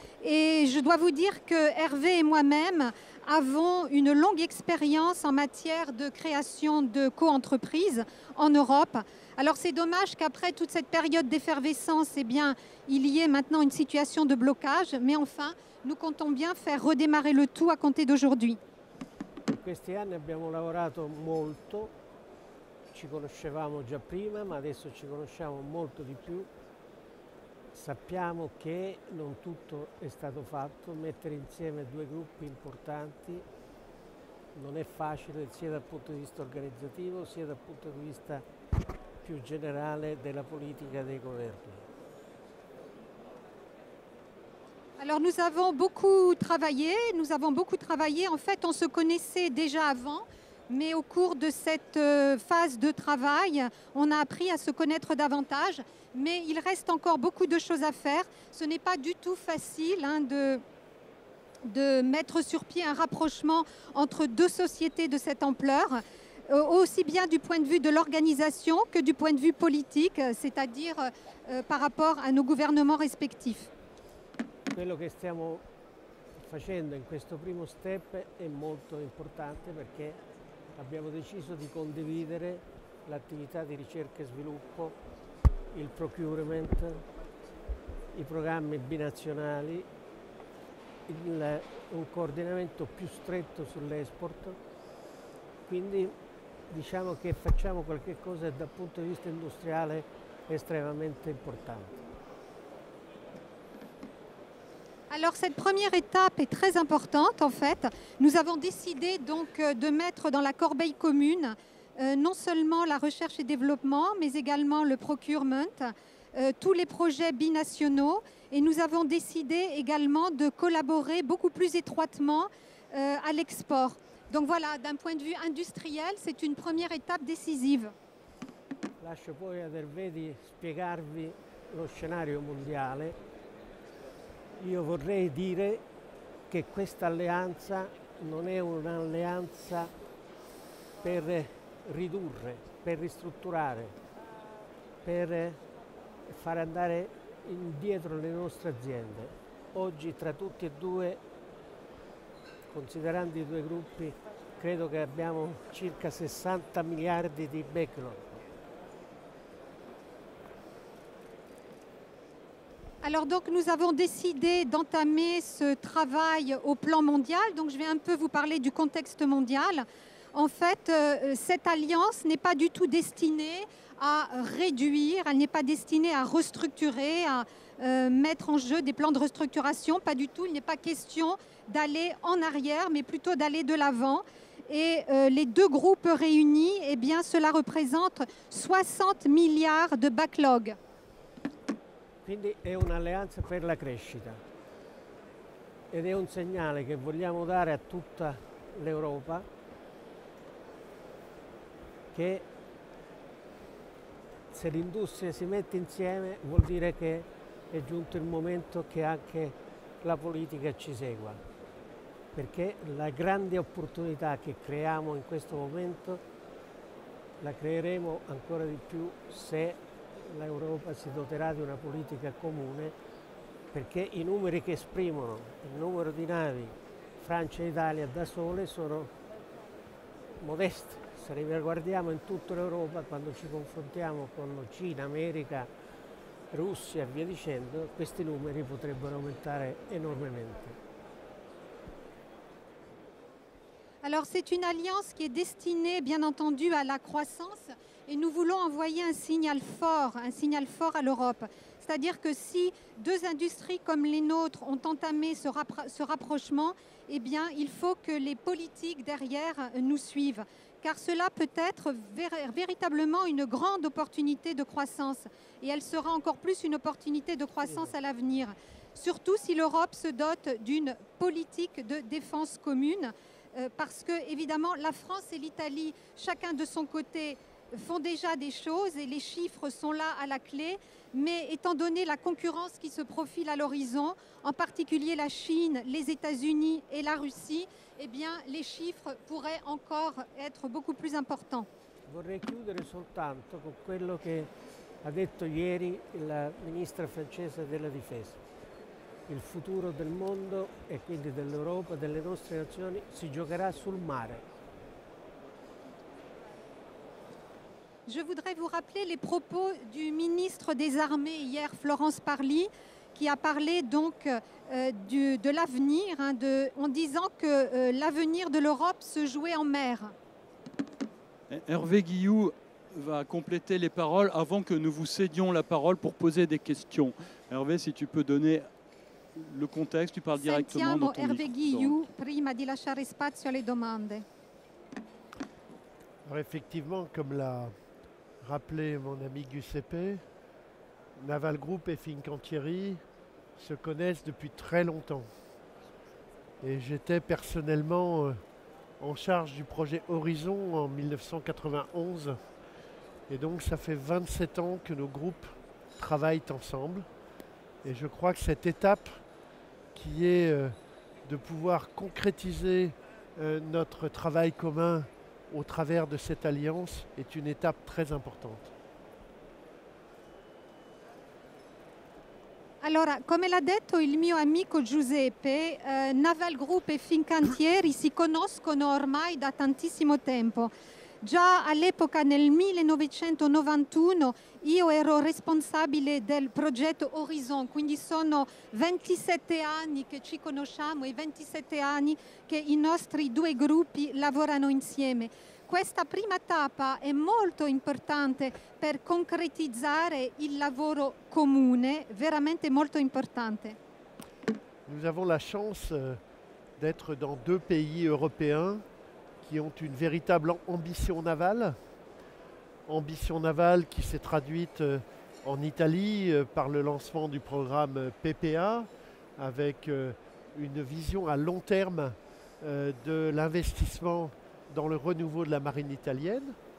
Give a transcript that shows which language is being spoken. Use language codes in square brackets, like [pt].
[fr] Et je dois vous dire que Hervé et moi-même avons une longue expérience en matière de création de co-entreprises en Europe. Alors c'est dommage qu'après toute cette période d'effervescence, eh bien, il y ait maintenant une situation de blocage. Mais enfin, nous comptons bien faire redémarrer le tout à compter d'aujourd'hui. [it] In questi anni abbiamo lavorato molto, ci conoscevamo già prima, ma adesso ci conosciamo molto di più. Sappiamo che non tutto è stato fatto, mettere insieme due gruppi importanti non è facile sia dal punto di vista organizzativo sia dal punto di vista più generale della politica dei governi. [fr] Alors nous avons beaucoup travaillé, nous avons beaucoup travaillé. En fait, on se connaissait déjà avant, mais au cours de cette phase de travail, on a appris à se connaître davantage. Mais il reste encore beaucoup de choses à faire. Ce n'est pas du tout facile de mettre sur pied un rapprochement entre deux sociétés de cette ampleur, aussi bien du point de vue de l'organisation que du point de vue politique, c'est-à-dire par rapport à nos gouvernements respectifs. [it] quello che stiamo facendo in questo primo step è molto importante perché abbiamo deciso di condividere l'attività di ricerca e sviluppo, il procurement, i programmi binazionali, un coordinamento più stretto sull'export. Quindi diciamo che facciamo qualche cosa dal punto di vista industriale estremamente importante. [fr] Alors cette première étape est très importante en fait. Nous avons décidé donc de mettre dans la corbeille commune non seulement la recherche et développement, mais également le procurement, tous les projets binationaux. Et nous avons décidé également de collaborer beaucoup plus étroitement à l'export. Donc voilà, d'un point de vue industriel, c'est une première étape décisive. [it] Lascio poi ad Hervé di spiegarvi lo scenario mondiale. Io vorrei dire che questa alleanza non è un'alleanza per ridurre, per ristrutturare, per far andare indietro le nostre aziende. Oggi tra tutti e due, considerando i due gruppi, credo che abbiamo circa 60 miliardi di backlog. [fr] Alors donc nous avons décidé d'entamer ce travail au plan mondial. Donc je vais un peu vous parler du contexte mondial. En fait, cette alliance n'est pas du tout destinée à réduire, elle n'est pas destinée à restructurer, à mettre en jeu des plans de restructuration, pas du tout. Il n'est pas question d'aller en arrière, mais plutôt d'aller de l'avant. Et les deux groupes réunis, eh bien, cela représente 60 milliards de backlog. [it] Quindi è un'alleanza per la crescita ed è un segnale che vogliamo dare a tutta l'Europa che se l'industria si mette insieme vuol dire che è giunto il momento che anche la politica ci segua, perché la grande opportunità che creiamo in questo momento la creeremo ancora di più se l'Europa si doterà di una politica comune, perché i numeri che esprimono il numero di navi Francia e Italia da sole sono modesti. Se li guardiamo in tutta l'Europa, quando ci confrontiamo con Cina, America, Russia e via dicendo, questi numeri potrebbero aumentare enormemente. [fr] Alors c'est une alliance qui est destinée bien entendu à la croissance et nous voulons envoyer un signal fort à l'Europe. C'est-à-dire que si deux industries comme les nôtres ont entamé ce rapprochement, eh bien il faut que les politiques derrière nous suivent. Car cela peut être véritablement une grande opportunité de croissance et elle sera encore plus une opportunité de croissance à l'avenir. Surtout si l'Europe se dote d'une politique de défense commune. Parce que, évidemment, la France et l'Italie, chacun de son côté, font déjà des choses et les chiffres sont là à la clé. Mais étant donné la concurrence qui se profile à l'horizon, en particulier la Chine, les États-Unis et la Russie, eh bien, les chiffres pourraient encore être beaucoup plus importants. Je voudrais [it] chiudere soltanto con quello che ha detto ieri la ministra francese della difesa. Il futuro del mondo e quindi dell'Europa, delle nostre nazioni, si giocherà sul mare. [fr] Je voudrais vous rappeler les propos du ministre des Armées hier, Florence Parly, qui a parlé donc de l'avenir, hein, en disant que l'avenir de l'Europe se jouait en mer. Hervé Guillou va compléter les paroles avant que nous vous cédions la parole pour poser des questions. Hervé, si tu peux donner le contexte, tu parles directement dans ton livre. [it] Hervé Guillou, prima di lasciare spazio alle domande. [fr] Alors effectivement, comme l'a rappelé mon ami Giuseppe, Naval Group et Fincantieri se connaissent depuis très longtemps. Et j'étais personnellement en charge du projet Horizon en 1991. Et donc ça fait 27 ans que nos groupes travaillent ensemble. Et je crois que cette étape qui est de pouvoir concrétiser notre travail commun au travers de cette alliance est une étape très importante. [it] Allora, come l'ha detto il mio amico Giuseppe, Naval Group e Fincantieri si conoscono ormai da tantissimo tempo. Già all'epoca, nel 1991, io ero responsabile del progetto Horizon, quindi sono 27 anni che ci conosciamo e 27 anni che i nostri due gruppi lavorano insieme. Questa prima tappa è molto importante per concretizzare il lavoro comune, veramente molto importante. [fr] Nous avons la chance d'être dans deux pays européens qui ont une véritable ambition navale. Ambition navale qui s'est traduite en Italie par le lancement du programme PPA avec une vision à long terme de l'investissement dans le renouveau de la marine italienne,